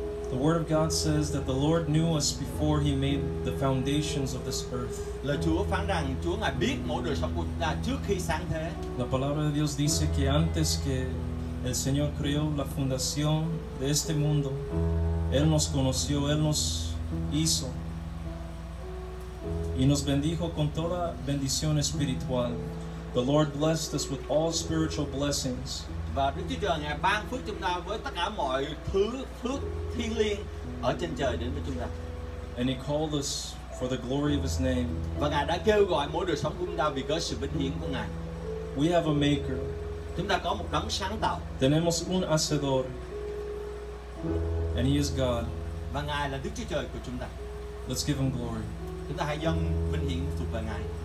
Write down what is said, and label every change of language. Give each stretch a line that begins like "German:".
English: The word of God says that the Lord knew us before He made the foundations of this earth.
Vietnamese: Lời Chúa phán rằng Chúa Ngài biết mọi đời sống của chúng ta trước khi sáng thế.
Spanish: La palabra de Dios dice que antes que el Señor creó la fundación de este mundo, Él nos conoció, Él nos hizo y nos bendijo con toda bendición espiritual.
English: The Lord blessed us with all spiritual blessings
Vietnamese: và Đức Chúa Trời ngài ban phước chúng ta với tất cả mọi thứ phước thiêng liêng ở trên trời đến với chúng ta.
English: And he called us for the glory of his name.
Vietnamese: Và ngài đã kêu gọi mỗi đời sống của chúng ta vì cớ sự vinh hiển của ngài.
English: We have a maker.
Vietnamese: Chúng ta có một đấng sáng tạo.
Spanish: Tenemos un hacedor.
English: And he is God.
Vietnamese: Và ngài là Đức Chúa Trời của chúng ta.
English: Let's give him glory.
Vietnamese: Chúng ta hãy dâng vinh hiển thuộc về ngài.